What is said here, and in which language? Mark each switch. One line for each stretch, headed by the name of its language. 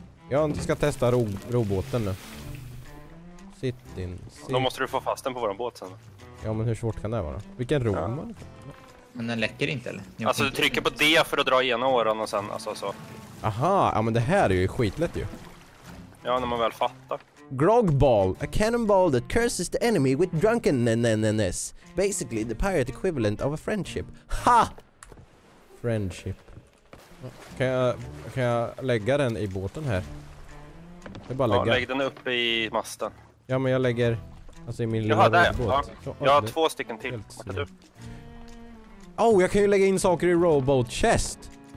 Swedish: Jag ska testa robåten nu.
English: Sit in...
Swedish: Då måste du få fast den på våran båt sen. Ja, men hur svårt kan det vara? Vilken rom? Ja. Men den läcker inte, eller? Jag alltså, du trycker på D för att dra igenom åren och sen, alltså, så. Aha, ja, men det här är ju skitlätt ju. Ja, när man väl fattar.
English: Grogball, a cannonball that curses the enemy with drunkenness. Basically, the pirate equivalent of a friendship. Ha! Friendship.
Swedish: Kan jag lägga den i båten här? Jag bara lägga. Ja, lägg den uppe i masten. Ja, men jag lägger... Alltså i min lilla båt. Ja. Jag har två stycken till. Oh, jag kan ju lägga in saker i rowboat chest.